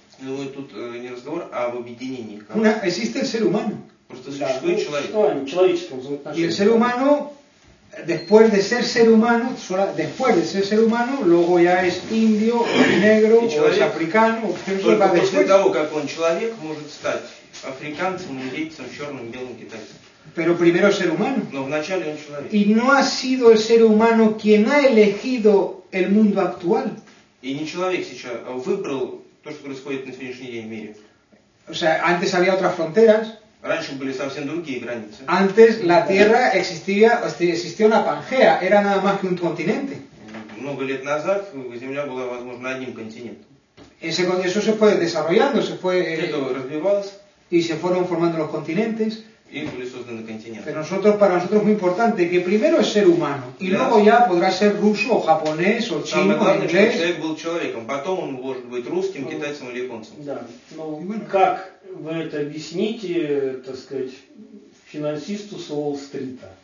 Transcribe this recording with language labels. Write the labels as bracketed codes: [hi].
[ru] Ну и тут не разговор, а в объединении. [es] Existe el ser humano. [ru] Просто существует человек. Что они, человеческое взаимоотношение. [es] Y el ser humano, después de ser ser humano, después de ser ser humano, luego ya es indio, negro, es africano. [ru] Только после того, как он человек, может стать африканцем, индейцем, черным, белым, китайцем. [es] Pero primero ser humano. [ru] Но вначале он человек. [es] Y no ha sido el ser humano quien ha elegido el mundo actual. [ru] И не человек сейчас выбрал то, что происходит на сегодняшний день в мире. [es] O sea, antes había otras fronteras. [ru] Раньше были совсем другие границы. [es] Antes la Tierra existía una Pangea, era nada más que un continente. [ru] Много лет назад Земля была, возможно, одним континентом. [es] Eso se fue desarrollando, se fue... [ru] Это развивалось. [es] Y se fueron formando los continentes. [ru] Им были созданы континенты. [es] Pero nosotros, para nosotros es muy importante que primero es ser humano, y да. Luego ya podrá ser ruso, o japonés, o чино, [ru] самое главное, [es] inglés. [ru] Чтобы человек был человеком, потом он может быть русским, ну, китайцем или японцем. Да, но как вы это объясните, так сказать, финансисту с Уолл-стрита?